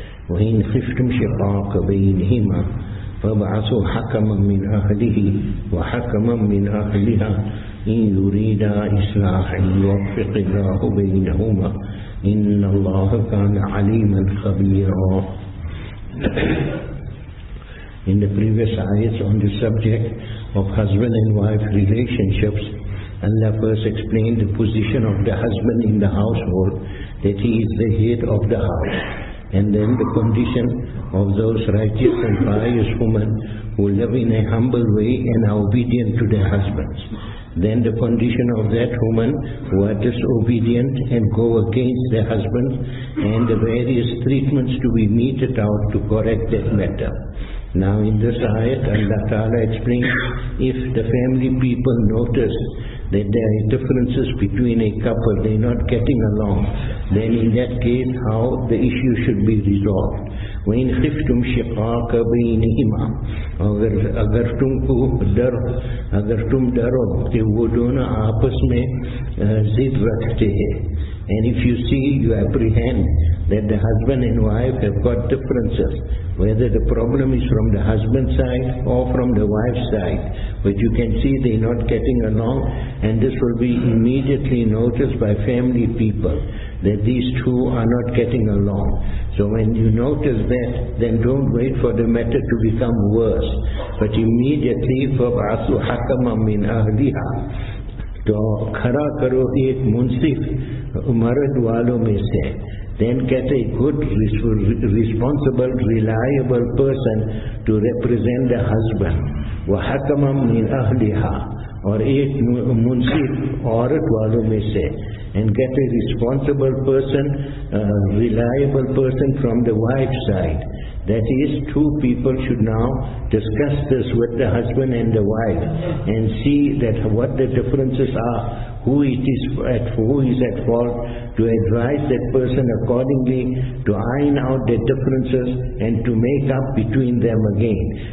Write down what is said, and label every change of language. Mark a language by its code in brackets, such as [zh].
[ar] وإن خفتم شقاق بينهما فابعثوا حكما من أهله وحكما من أهلها إن يريدا إصلاحا يوفق الله بينهما إن الله كان عليما خبيرا. [en] In the previous ayats on the subject of husband and wife relationships, Allah first explained the position of the husband in the household, that he is the head of the house, and then the condition of those righteous and pious women who live in a humble way and are obedient to their husbands. Then the condition of that woman who are disobedient and go against their husband, and the various treatments to be meted out to correct that matter. Now in this ayat, Allah Ta'ala explains, if the family people notice that there are differences between a couple, they're not getting along, then in that case, how the issue should be resolved. [ar] وَإِنْ خِفْتُمْ شِقَاقَ بَيْنِهِمَا [ur] اگر تم کو ڈر اگر تم ڈرو کہ وہ دونوں آپس میں ضد رکھتے ہیں. [en] And if you see, you apprehend that the husband and wife have got differences, whether the problem is from the husband's side or from the wife's side, but you can see they're not getting along, and this will be immediately noticed by family people that these two are not getting along. So when you notice that, then don't wait for the matter to become worse, but immediately [ar] فَبْعَثُوا حَكَمًا مِّنْ أَهْلِهَا [ur] تو کھڑا کرو ایک منصف مرد والوں میں سے. [en] Then get a good, responsible, reliable person to represent the husband. [ar] وَحَكَمًا مِّنْ أَهْلِهَا [ur] اور ایک منصف عورت والوں میں سے. [en] And get a responsible person, a reliable person from the wife's side. That is, two people should now discuss this with the husband and the wife and see that what the differences are, who is at fault, to advise that person accordingly, to iron out the differences and to make up between them again.